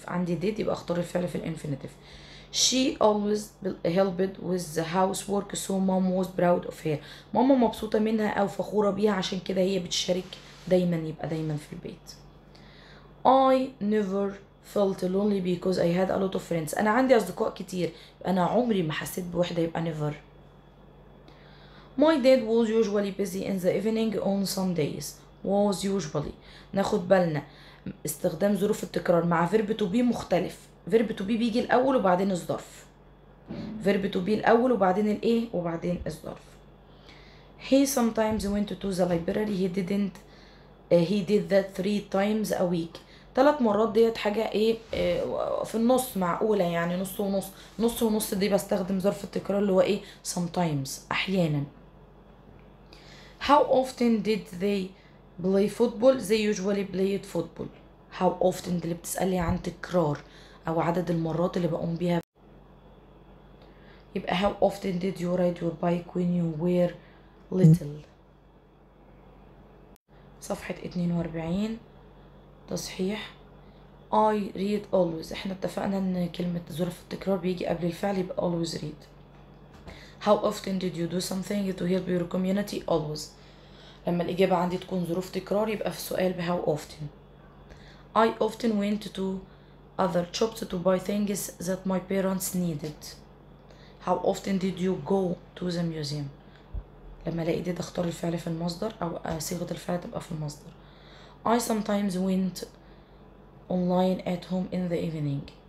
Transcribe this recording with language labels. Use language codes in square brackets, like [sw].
[ar] عندي did، يبقى اختار الفعل في الانفينيتيف. [en] She always helped with the housework, so mom was proud of her. [ar] ماما مبسوطة منها أو فخورة بيها، عشان كده هي بتشارك دايما، يبقى دايما في البيت. [en] I never felt lonely because I had a lot of friends. [ar] أنا عندي أصدقاء كتير، أنا عمري ما حسيت بوحدة، يبقى never. [en] My dad was usually busy in the evening on Sundays. Was usually. [ar] ناخد بالنا استخدام ظروف التكرار مع verb to be مختلف. verb to be بيجي الأول وبعدين الظرف. verb to be الأول وبعدين الإيه وبعدين الظرف. [en] He sometimes went to the library. He didn't. He did that three times a week. [ar] ثلاث مرات ديت حاجة ايه في النص، معقولة يعني نص ونص. نص ونص دي بستخدم ظرف التكرار اللي هو ايه sometimes، احيانا. [en] How often did they play football? They usually played football. [ar] How often اللي بتسألي عن تكرار أو عدد المرات اللي بقوم بيها. [en] يبقى how often did you ride your bike when you were little؟ [ar] صفحة 42 تصحيح. [en] I read always. [ar] احنا اتفقنا ان كلمة ظرف التكرار بيجي قبل الفعل يبقى always read. [en] How often did you do something to help your community? Always. [ar] لما الإجابة عندي تكون ظروف تكرار يبقى في سؤال بـ how often. [en] I often went to other shops to buy things that my parents needed. How often did you go to the museum? [ar] لما الاقي دي اختار الفعل في المصدر او صيغه الفعل تبقى في المصدر. [en] I sometimes went online at home in the evening.